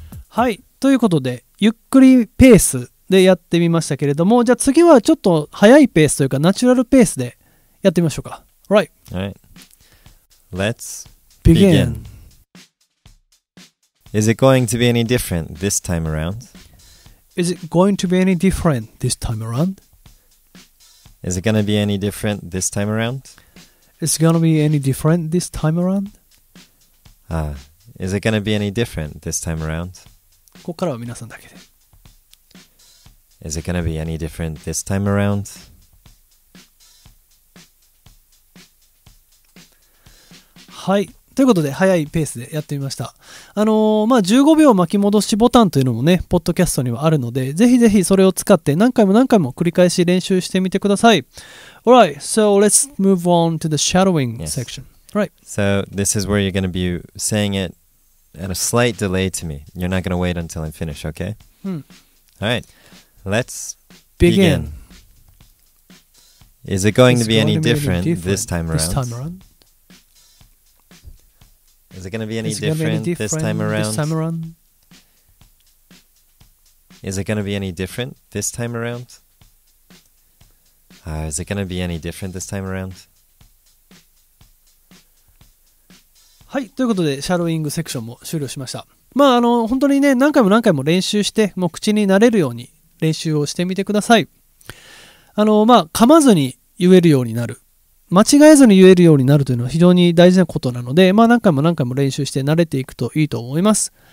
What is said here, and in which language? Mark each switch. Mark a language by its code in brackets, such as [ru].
[ja] はい、ということでゆっくりペースでやってみましたけれども、じゃあ次はちょっと早いペースというかナチュラルペースでやってみましょうか。 [en] Right. Alright. Let's begin. Is it going to be any different this time around? Is it going to be any different this time around? Is it going to be any different this time around? Is it going to be any different this time around? Is it going to be any different this time around? [ja] ここからは皆さんだけで。 [en] Is it going to be any different this time around? [ja] はい。ということで、早いペースでやってみました。まあ、15秒巻き戻しボタンというのもね、ポッドキャストにはあるので、ぜひぜひそれを使って何回も何回も繰り返し練習してみてください。 [en] Alright, so let's move on to the shadowing section. Right. So this is where you're going to be saying it at a slight delay to me. You're not going to wait until I'm finished, okay? Alright, let's begin. Is it going to be any different this time around? Is it going to be any different this time around? Is it going to be any different this time around? Is it going to be any different this time around? [ja] はい、ということでシャドウイングセクションも終了しました。まあ本当にね、何回も何回も練習して、もう口に慣れるように練習をしてみてください。まあ噛まずに言えるようになる。間違えずに言えるようになるというのは非常に大事なことなので、まあ何回も何回も練習して慣れていくといいと思います。